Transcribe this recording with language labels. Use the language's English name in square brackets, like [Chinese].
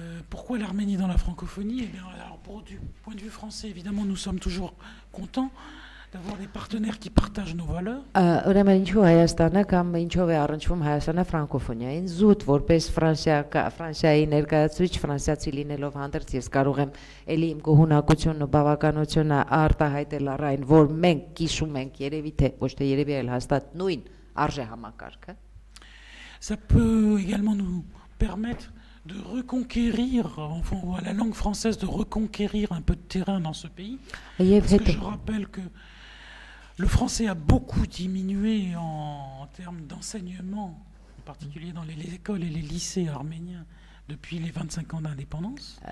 [French] Pourquoi l'Arménie dans la francophonie? Eh bien, alors, du point de vue français, évidemment, nous sommes toujours contents d'avoir des partenaires qui partagent nos valeurs. [Armenian] Ուրեմն ինչու Հայաստանը կամ ինչով է առնչվում Հայաստանը ֆրանկոֆոնիային, զուտ որպես ֆրանսիայի ներկայացուցիչ, ֆրանսիացի լինելով հանդերձ, ես կարող եմ էլի իմ գոհունակությունն ու բավականությունը արտահայտել առ այն, որ մենք կիսում ենք երևի թե ոչ թե երևի այլ հաստատ նույն արժե համակարգը. [French] Ça peut également nous permettre de reconquérir, enfin, ou à la langue française, de reconquérir un peu de terrain dans ce pays. Parce que je rappelle que le français a beaucoup diminué en termes d'enseignement, en particulier dans les écoles et les lycées arméniens, depuis les 25 ans d'indépendance.